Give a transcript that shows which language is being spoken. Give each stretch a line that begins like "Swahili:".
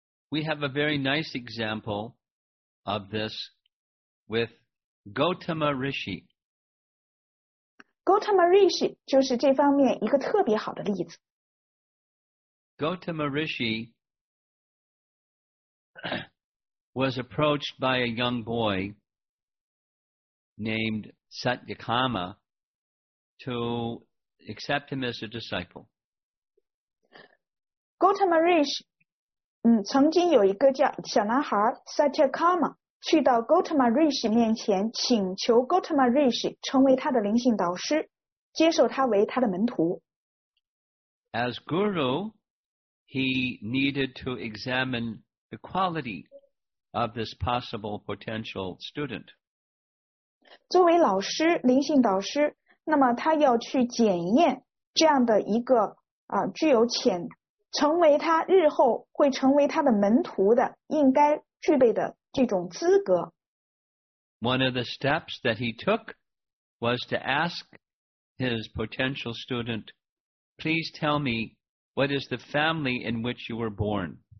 English: We have a very nice example of this with Gautama Rishi.
Chinese: Gautama Rishi 就是这方面一个特别好的例子。
English: Gautama Rishi was approached by a young boy named Satyakama to accept him as a disciple.
Chinese: Gautama Rishi 曾经有一个叫小男孩 Satyakama 去到 Gautama Rishi 面前请求 Gautama Rishi 成为他的灵性导师，接受他为他的门徒。
English: As guru, he needed to examine the quality of this possible potential student.
Chinese: 作为老师，灵性导师，那么他要去检验这样的一个啊具有潜成为他日后会成为他的门徒的应该具备的这种资格。
English: One of the steps that he took was to ask his potential student, please tell me what is the family in which you were born.